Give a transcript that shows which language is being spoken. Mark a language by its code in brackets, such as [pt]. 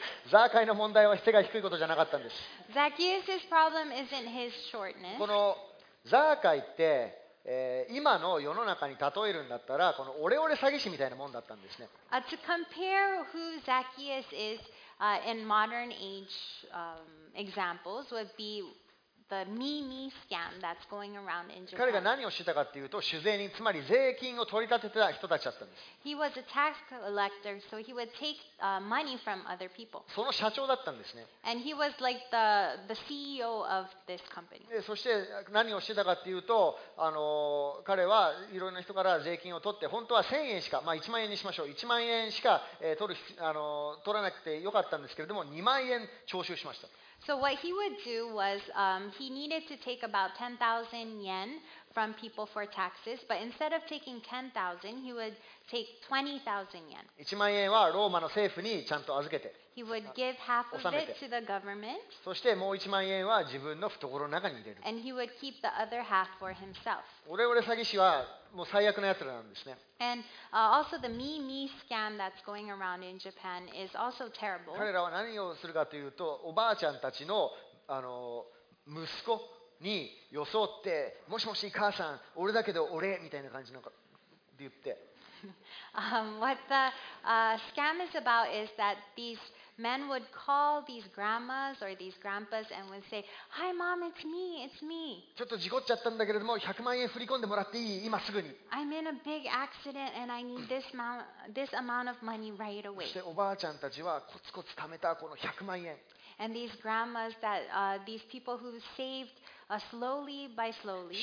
[ja] ザーカイの問題は背が低いことじゃなかったんです。 [en] Zacchaeus's problem isn't his shortness. [ja] このザーカイって今の世の中に例えるんだったら、このオレオレ詐欺師みたいなもんだったんですね。 [en] To compare who Zacchaeus is in modern age examples would be the me-me scam that's going around in Japan. [ja] 彼が何をしてたかっていうと、酒税人、つまり税金を取り立ててた人たちだったんです。 [en] He was a tax collector, so he would take money from other people. [ja] その社長だったんですね。 [en] And he was like the CEO of this company. [ja] そして何をしてたかっていうと、彼はいろんな人から税金を取って、本当は1000円しか、まあ1万円にしましょう、1万円しか取らなくてよかったんですけれども、2万円徴収しました。 [en] So what he would do was he needed to take about 10,000 yen from people for taxes, but instead of taking 10,000, he would take 20,000 yen. [ja] 1万円はローマの政府にちゃんと預けて。 [en] He would give half of it to the government. [ja] そしてもう1万円は自分の懐の中に入れる。 [en] And he would keep the other half for himself. [ja] オレオレ詐欺師はもう最悪のやつらなんですね。 [en] And also the me-me scam that's going around in Japan is also terrible. [ja] 彼らは何をするかというと、おばあちゃんたちの息子に装って、もしもし母さん、俺だけど俺みたいな感じなんかで言って。 [en] What the scam is about is that these men would call these grandmas or these grandpas and would say, Hi mom, it's me, it's me. [ja] ちょっと事故っちゃったんだけれども、100万円振り込んでもらっていい？今すぐに。 [en] I'm in a big accident and I need this amount of money right away. [ja] そしておばあちゃんたちはコツコツ貯めたこの100万円。 [en] And these grandmas that these people who saved slowly by slowly.